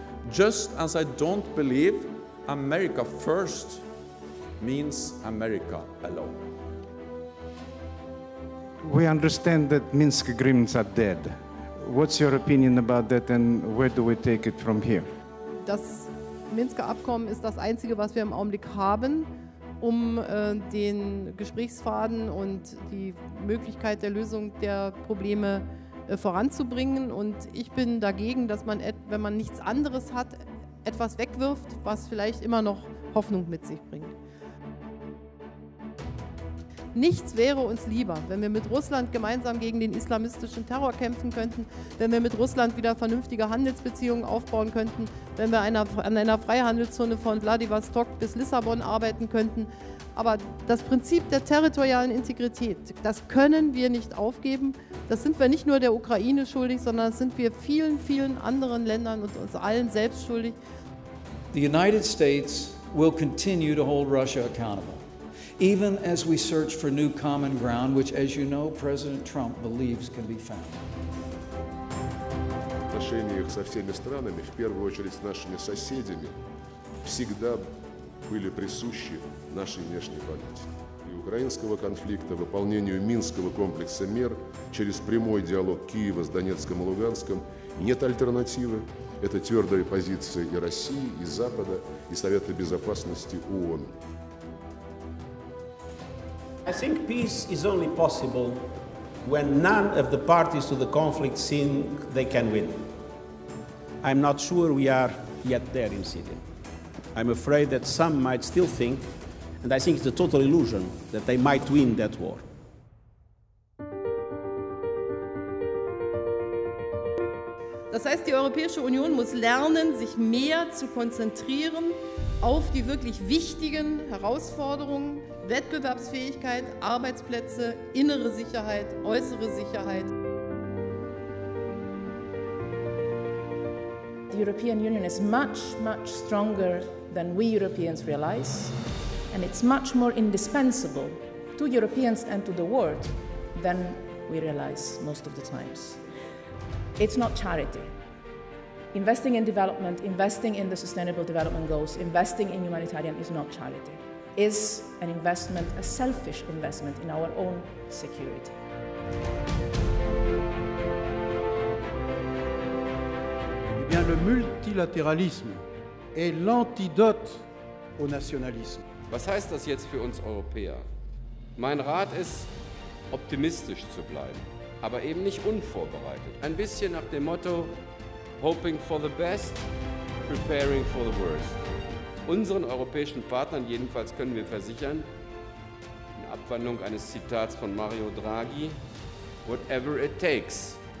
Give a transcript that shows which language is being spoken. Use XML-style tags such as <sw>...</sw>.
<en>Just as I don't believe America first means America alone. We understand that Minsk agreements are dead. What's your opinion about that and where do we take it from here?</en> <de>Das Minsker Abkommen ist das Einzige, was wir im Augenblick haben, um den Gesprächsfaden und die Möglichkeit der Lösung der Probleme voranzubringen. Und ich bin dagegen, dass man, wenn man nichts anderes hat, etwas wegwirft, was vielleicht immer noch Hoffnung mit sich bringt. Nichts wäre uns lieber, wenn wir mit Russland gemeinsam gegen den islamistischen Terror kämpfen könnten, wenn wir mit Russland wieder vernünftige Handelsbeziehungen aufbauen könnten, wenn wir an einer Freihandelszone von Vladivostok bis Lissabon arbeiten könnten. Aber das Prinzip der territorialen Integrität, das können wir nicht aufgeben. Das sind wir nicht nur der Ukraine schuldig, sondern das sind wir vielen, vielen anderen Ländern und uns allen selbst schuldig.</de> <en>The United States will continue to hold Russia accountable. Even as we search for new common ground, which, as you know, President Trump believes can be found.</en> <ru>Отношения со всеми странами, в первую очередь с нашими соседями, всегда были присущи нашей внешней политике. И украинского конфликта, выполнению Минского комплекса мер через прямой диалог Киева с Донецком и Луганском нет альтернативы. Это твердая позиция и России, и Запада, и Совета Безопасности ООН.</ru> <en>I think peace is only possible when none of the parties to the conflict think they can win. I'm not sure we are yet there in Syria. I'm afraid that some might still think, and I think it's a total illusion, that they might win that war.</en> <de>Das heißt, die Europäische Union muss lernen, sich mehr zu konzentrieren auf die wirklich wichtigen Herausforderungen, Wettbewerbsfähigkeit, Arbeitsplätze, innere Sicherheit, äußere Sicherheit.</de> <en>The European Union is much, much stronger than we Europeans realize, and it's much more indispensable to Europeans and to the world than we realize most of the times. It's not charity. Investing in development, investing in the Sustainable Development Goals, investing in humanitarian is not charity. Is an investment, a selfish investment in our own security.</en> <fr>Eh bien, le multilatéralisme est l'antidote au nationalisme.</fr> <de>Was heißt das jetzt für uns Europäer? Mein Rat ist, optimistisch zu bleiben, aber eben nicht unvorbereitet. Ein bisschen nach dem Motto,</de> <en>hoping for the best, preparing for the worst.</en> <de>Unseren europäischen Partnern jedenfalls können wir versichern, in Abwandlung eines Zitats von Mario Draghi,</de> <en>whatever it takes.</en>